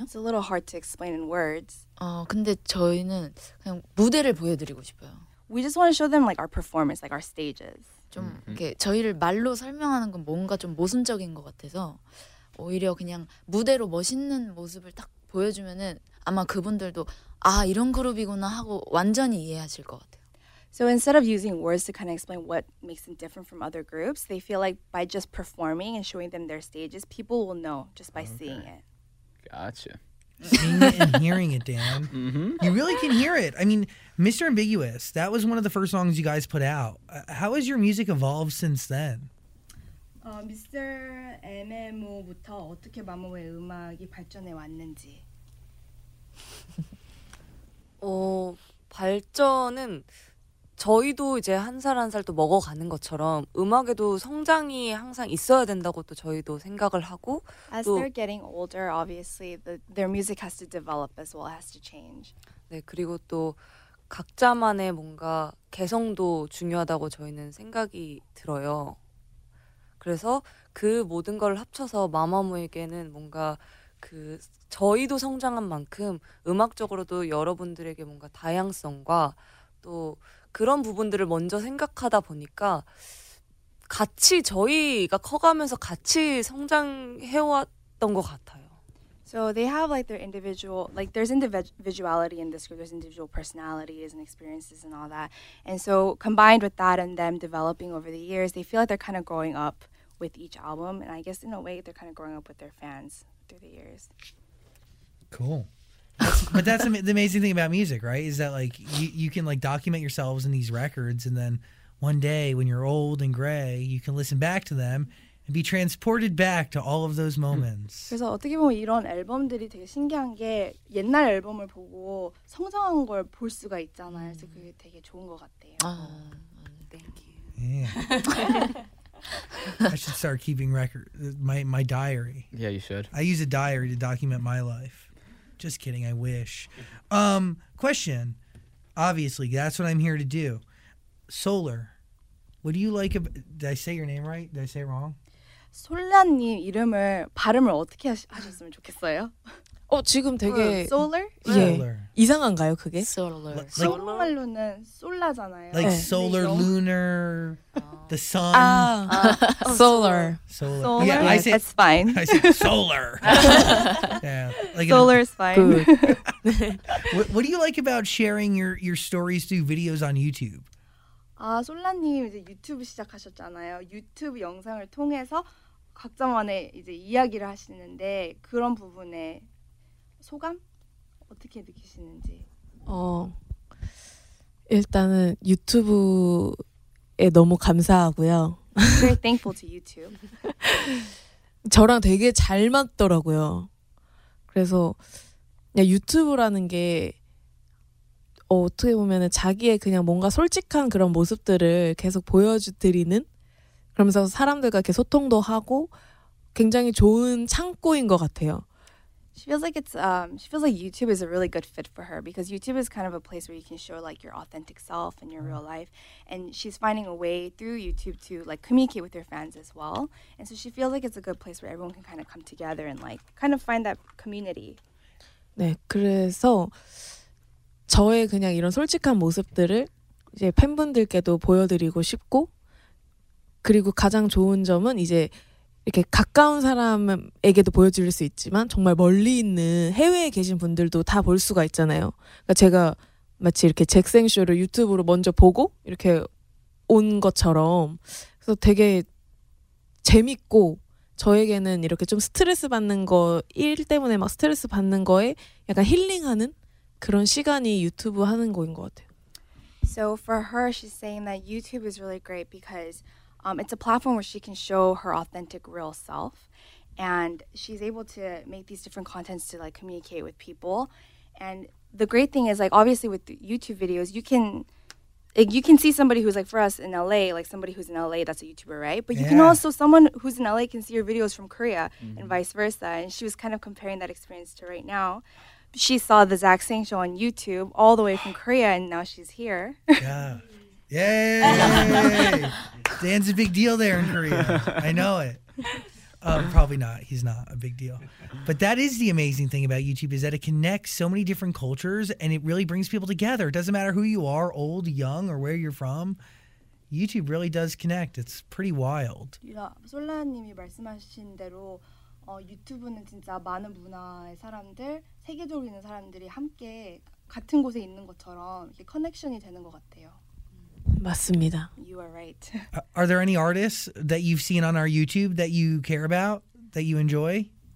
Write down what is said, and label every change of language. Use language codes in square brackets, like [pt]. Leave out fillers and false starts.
[en] It's a little hard to explain in words. [ko] 근데 저희는 그냥 무대를 보여 드리고 싶어요. [en] We just want to show them like our performance, like our stages. [ko] 좀 이렇게 저희를 말로 설명하는 건 뭔가 좀 모순적인 것 같아서 오히려 그냥 무대로 멋있는 모습을 딱 보여 주면은 아마 그분들도 아, 이런 그룹이구나 하고 완전히 이해하실 것 같아요. [en] So instead of using words to kind of explain what makes them different from other groups, they feel like by just performing and showing them their stages, people will know just by seeing it. Gotcha. Seeing it and hearing it, Dan. Mm-hmm. You really can hear it. I mean, Mr. Ambiguous, that was one of the first songs you guys put out. How has your music evolved since then? Mr. [ko] MMO부터 어떻게 마마무의 음악이 발전해 왔는지. 발전은 저희도 이제 한 살 한 살 또 먹어가는 것처럼 음악에도 성장이 항상 있어야 된다고 또 저희도 생각을 하고 [en] As they're getting older, obviously, their music has to develop as well, has to change. [ko] 네, 그리고 또 각자만의 뭔가 개성도 중요하다고 저희는 생각이 들어요. 그래서 그 모든 걸 합쳐서 마마무에게는 뭔가 그 저희도 성장한 만큼 음악적으로도 여러분들에게 뭔가 다양성과 또 그런 부분들을 먼저 생각하다 보니까 같이 저희가 커가면서 같이 성장해왔던 것 같아요. [en] So they have like their individual, like there's individuality in this group, there's individual personalities and experiences and all that. And so combined with that and them developing over the years, they feel like they're kind of growing up with each album. And I guess in a way, they're kind of growing up with their fans through the years. Cool. But that's the amazing thing about music, right? Is that like you can like document yourselves in these records, and then one day when you're old and gray, you can listen back to them and be transported back to all of those moments. [ko] 그래서 어떻게 보면 이런 앨범들이 되게 신기한 게 옛날 앨범을 보고 성장한 걸 볼 수가 있잖아요. 그래서 그게 되게 좋은 것 같아요. [en] Thank you. I should start keeping record my diary. Yeah, you should. I use a diary to document my life. Just kidding, I wish. Question. Obviously, that's what I'm here to do. Solar, what do you like about... Did I say your name right? Did I say it wrong? [ko] 솔라님 이름을, 발음을 어떻게 하셨으면 좋겠어요? 지금 되게... [en] Solar? Solar. [ko] 예. 이상한가요, 그게? [en] Solar. [ko] 한국말로는 솔라잖아요. [en] Like [ko] 네. [en] Solar, Lunar, the Sun. Solar. Solar. Solar? Yeah, I say, that's fine. I say Solar. Yeah, like Solar is fine. Good. what do you like about sharing your stories through videos on YouTube? [ko] 솔라님 이제 유튜브 시작하셨잖아요. 유튜브 영상을 통해서 각자만의 이제 이야기를 하시는데 그런 부분에 소감? 어떻게 느끼시는지? 일단은 유튜브에 너무 감사하고요. [en] Very thankful to YouTube. [ko] 저랑 되게 잘 맞더라고요. 그래서 그냥 유튜브라는 게 어떻게 보면 자기의 그냥 뭔가 솔직한 그런 모습들을 계속 보여드리는 그러면서 사람들과 이렇게 소통도 하고 굉장히 좋은 창고인 것 같아요. [en] She feels like it's she feels like YouTube is a really good fit for her because YouTube is kind of a place where you can show like your authentic self and your real life, and she's finding a way through YouTube to like communicate with her fans as well. And so she feels like it's a good place where everyone can kind of come together and like kind of find that community. [ko] 네, 그래서 저의 그냥 이런 솔직한 모습들을 이제 팬분들께도 보여드리고 싶고 그리고 가장 좋은 점은 이제 이렇게 가까운 사람에게도 보여줄 수 있지만 정말 멀리 있는 해외에 계신 분들도 다 볼 수가 있잖아요. 그러니까 제가 마치 이렇게 잭생쇼를 유튜브로 먼저 보고 이렇게 온 것처럼 그래서 되게 재밌고 저에게는 이렇게 좀 스트레스 받는 거 일 때문에 막 스트레스 받는 거에 약간 힐링하는 그런 시간이 유튜브 하는 거인 것 같아요. [en] So for her, she's saying that YouTube is really great because it's a platform where she can show her authentic real self, and she's able to make these different contents to like communicate with people. And the great thing is, like, obviously with YouTube videos, you can see somebody who's like, for us in LA, like somebody who's in LA that's a YouTuber, right? But you can also, someone who's in LA can see your videos from Korea and vice versa. And she was kind of comparing that experience to right now. She saw the Zach Sang show on YouTube all the way from Korea, and now she's here. Yay! Dan's a big deal there in Korea. I know it. Probably not. He's not a big deal. But that is the amazing thing about YouTube is that it connects so many different cultures, and it really brings people together. It doesn't matter who you are, old, young, or where you're from. YouTube really does connect. It's pretty wild. [ko] Yeah, 솔라님이 말씀하신 대로 유튜브는 진짜 많은 문화의 사람들, 세계적으로 있는 사람들이 함께 같은 곳에 있는 것처럼 이렇게 커넥션이 되는 것 같아요. 맞습니다. [en] You are right. Are there any artists that you've seen on our YouTube that you care about, that you enjoy?